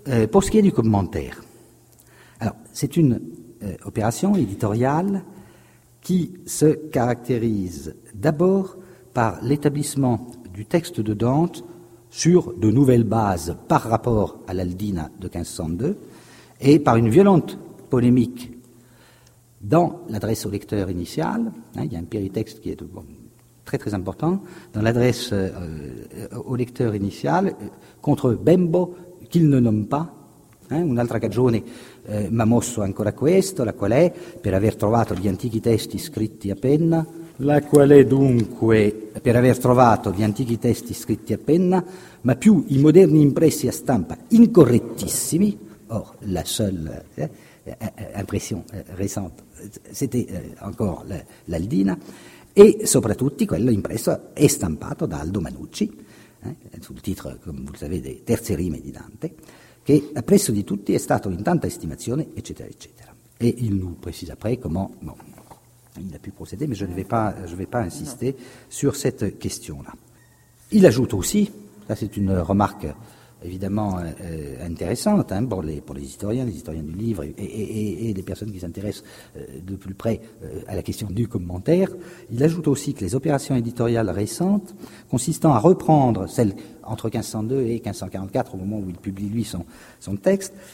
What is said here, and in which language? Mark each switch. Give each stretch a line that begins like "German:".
French: Pour ce qui est du commentaire, alors c'est une opération éditoriale qui se caractérise d'abord par l'établissement du texte de Dante sur de nouvelles bases par rapport à l'Aldina de 1502 et par une violente polémique dans l'adresse au lecteur initial. Il y a un péritexte qui est très très important dans l'adresse au lecteur initial contre Bembo qu'il ne nomme pas
Italian: Un'altra ragione mi ha mosso ancora questo, la qual è, per aver trovato gli antichi testi scritti a penna. La qual è dunque? Per aver trovato gli antichi testi scritti a penna, ma più i moderni impressi a stampa incorrettissimi.
French: Or, la seule impression récente, c'était encore l'Aldina,
Italian: e soprattutto quello impresso e stampato da Aldo Manucci, sul titolo, come
French: vous le savez,
Italian: des Terze Rime di Dante, che presso di tutti è stato in tanta estimazione, eccetera, eccetera.
French: E il nous précise après comment. Bon, il a pu procéder, mais je ne vais pas insister sur cette question-là. Il ajoute aussi, ça c'est une remarque évidemment intéressante hein, pour les historiens, les historiens du livre et les personnes qui s'intéressent de plus près à la question du commentaire, il ajoute aussi que les opérations éditoriales récentes, consistant à reprendre celles entre 1502 et 1544, au moment où il publie lui son texte,